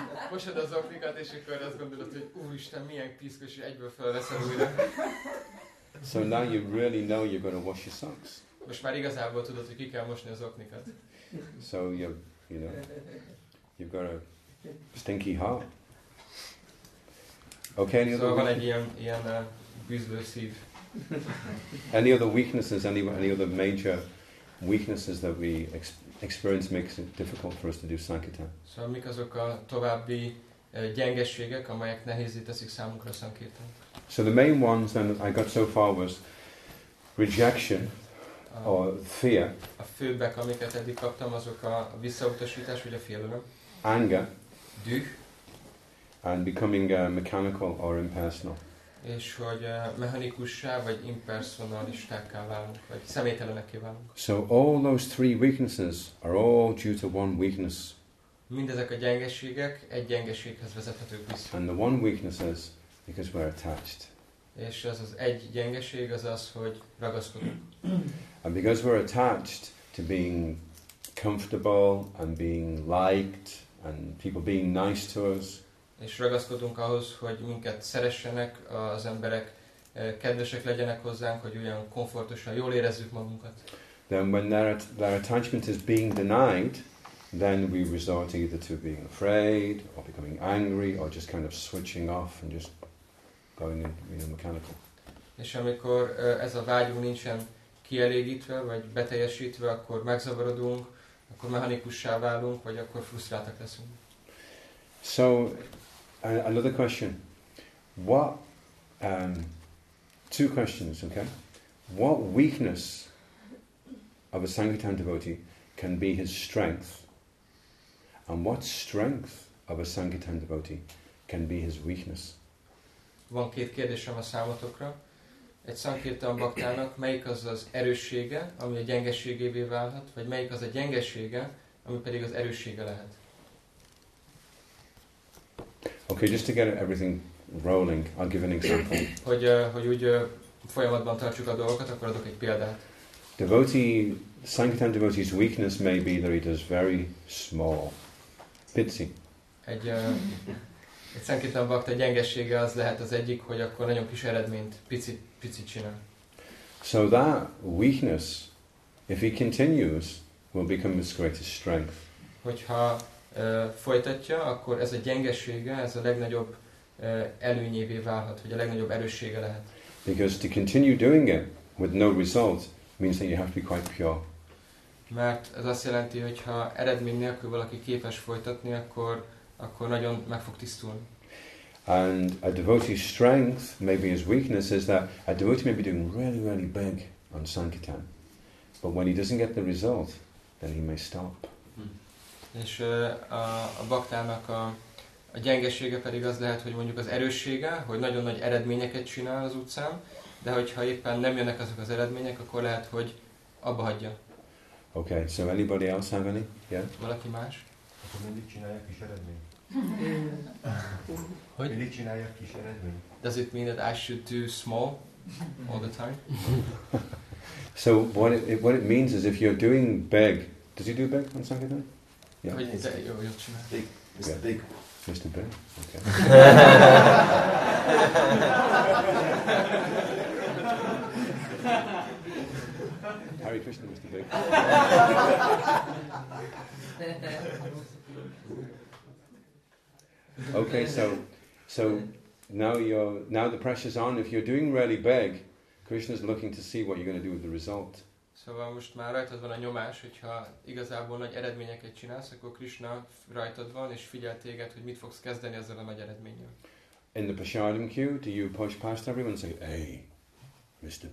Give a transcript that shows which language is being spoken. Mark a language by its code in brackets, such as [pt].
[hu] Mosod az oknikat, és akkor azt gondolod, hogy úristen, milyen piszkos, és egyből felveszed újra. [en] So now you really know you're going to wash your socks. [hu] Most már igazából tudod, hogy ki kell mosni az oknikat. [en] So you've got a stinky heart. Okay, any other weaknesses? [hu] Szóval van egy ilyen bűzlő szív. [en] Any other weaknesses, any other major weaknesses that we experience makes it difficult for us to do Sankirtan? [hu] Szóval mik azok a további gyengességek, amelyek nehézé teszik számunkra Sankirtan? [en] So the main ones that I got so far was rejection or fear. [hu] A főbbek, amiket eddig kaptam, azok a visszautasítás vagy a félelem. [en] Anger. [hu] Düh. [en] And becoming mechanical or impersonal. [hu] És hogy mechanikussá vagy impersonalistákká válunk, vagy személytelenekké válunk. [en] So all those three weaknesses are all due to one weakness. [hu] Mindezek a gyengeségek egy gyengeséghez vezethetők vissza. [en] And the one weakness is because we're attached. [hu] És az egy gyengeség az, hogy ragaszkodunk. [en] And because we're attached to being comfortable and being liked and people being nice to us. [hu] És ragaszkodunk ahhoz, hogy minket szeressenek az emberek, kedvesek legyenek hozzánk, hogy olyan komfortosan jól érezzük magunkat. [en] Then when their attachment is being denied, then we resort either to being afraid or becoming angry or just kind of switching off and just going in, you know, mechanical. [hu] És amikor ez a vágyunk nincsen kielégítve vagy beteljesítve, akkor megzavarodunk, akkor mechanikussá válunk, vagy akkor frusztráltak leszünk. [en] So another question. Two questions, okay? What weakness of a Sankirtan devotee can be his strength? And what strength of a Sankirtan devotee can be his weakness? [hu] Van két kérdésem a számotokra. Egy Sankirtan baktának melyik az az erőssége, ami a gyengeségévé válhat, vagy melyik az a gyengesége, ami pedig az erőssége lehet? [en] Okay, just to get everything rolling, I'll give an example. [hu] Hogy úgy folyamatban tartsuk a dolgokat, akkor adok egy példát. [en] Sankirtan devotee's weakness may be that he does very small, [hu] pici. Egy Sankirtan bakta gyengesége az lehet az egyik, hogy akkor nagyon kis eredményt, picit csinál. [en] So that weakness, if he continues, will become his greatest strength. [hu] Hogyha folytatja, akkor ez a gyengesége, ez a legnagyobb előnyévé válhat, vagy a legnagyobb erőssége lehet. [en] Because to continue doing it with no result means that you have to be quite pure. [hu] Mert ez azt jelenti, hogy ha eredmény nélkül valaki képes folytatni, akkor nagyon meg fog tisztulni. [en] And a devotee's strength, maybe his weakness, is that a devotee may be doing really, really big on Sankirtan, but when he doesn't get the result, then he may stop. [hu] És a baktának a gyengesége pedig az lehet, hogy mondjuk az erőssége, hogy nagyon nagy eredményeket csinál az utcán, de hogyha éppen nem jönnek azok az eredmények, akkor lehet, hogy abba hagyja. [en] Okay, so anybody else have any? Yeah? [hu] Valaki más? Akkor mindig csinálják kis eredmény. Hogy? Mindig csinálják kis eredmény. [en] Does it mean that I should do small all the time? So what it means is if you're doing big, does he do big on Sankirtan? Yeah. Mr. Big. Mr. Big? Okay. Hare Krishna, Mr. Big. Okay, so now the pressure's on. If you're doing really big, Krishna's looking to see what you're going to do with the result. [hu] Szóval most már rajtad van a nyomás, hogyha igazából nagy eredményeket csinálsz, akkor Krishna rajtad van, és figyel téged, hogy mit fogsz kezdeni ezzel a nagy eredménnyel. [en] In the Pashadam queue, do you push past everyone and say, hey, Mr.